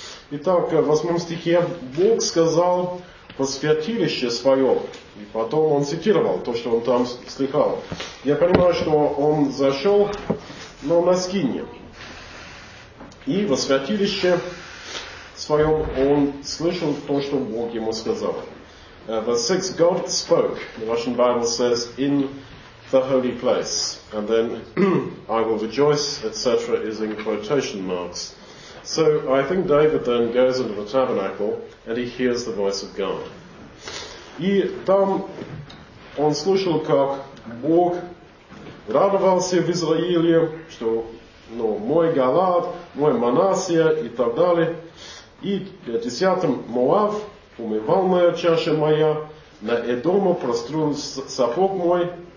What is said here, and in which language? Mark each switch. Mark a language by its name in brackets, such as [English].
[Russian] Итак, в 8 стихе Бог сказал во святилище свое. И потом он цитировал то, что он там слыхал. Я понимаю, что он зашел, но на скинье. И во святилище своем он слышал то, что Бог ему сказал. [English] Verse 6, God spoke, the Russian Bible says, in the holy place. And then, I will rejoice, etc. is in quotation marks. So, I think David then goes into the tabernacle, and he hears the voice of God. [Russian] И там он слышал, как Бог радовался в Израиле, что, ну, мой Галад, мой Манасия и так далее. И десятым Моав, умывал моя чаша моя, на Эдома прострел сапог мой.